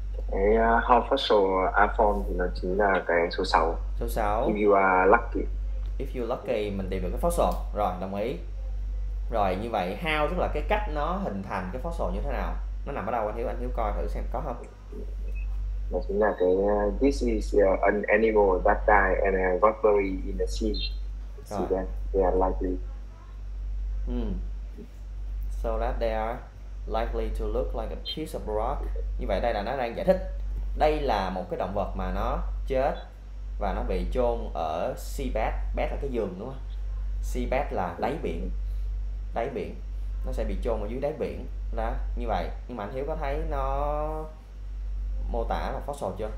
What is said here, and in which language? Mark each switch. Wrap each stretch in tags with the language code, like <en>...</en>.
<vi>Cái how fossil iPhone thì nó chính là cái số 6. Số 6.</vi> <en>If you are lucky. If you lucky,</en> <vi>mình tìm được cái fossil. Rồi, đồng ý. Rồi, như vậy how tức là cái cách nó hình thành cái fossil như thế nào? Nó nằm ở đâu anh Hiếu? Anh Hiếu coi thử xem có không? Nó chính là cái</vi> <en>this is an animal that died and got buried in the sea.</en> <vi>Rồi.</vi> <en>See that they are likely. So that they are likely to look like a piece of rock.</en> <vi>Như vậy đây là nó đang giải thích đây là một cái động vật mà nó chết và nó bị chôn ở seabed. Bed là cái giường đúng không? Seabed là đáy biển. Đáy biển. Nó sẽ bị chôn ở dưới đáy biển. Đó, như vậy. Nhưng mà anh Hiếu có thấy nó mô tả là fossil chưa?</vi>